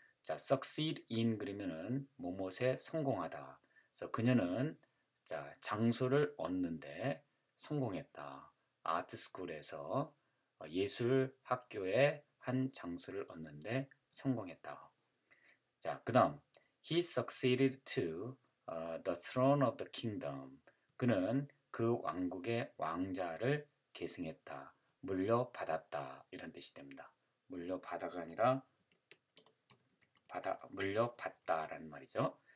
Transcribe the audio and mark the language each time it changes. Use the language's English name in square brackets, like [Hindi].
[Korean] 자, succeed in 그러면은 뭐뭇에 성공하다. 그래서 그녀는 자, 장소를 얻는데 성공했다. 아트 스쿨에서 예술 학교의 한 장소를 얻는데 성공했다. [English] 자, 그다음 he succeeded to the throne of the kingdom. [Korean] 그는 그 왕국의 왕좌를 계승했다. 물려받았다. 이런 뜻이 됩니다. 물려받아가 아니라 물려받다라는 말이죠.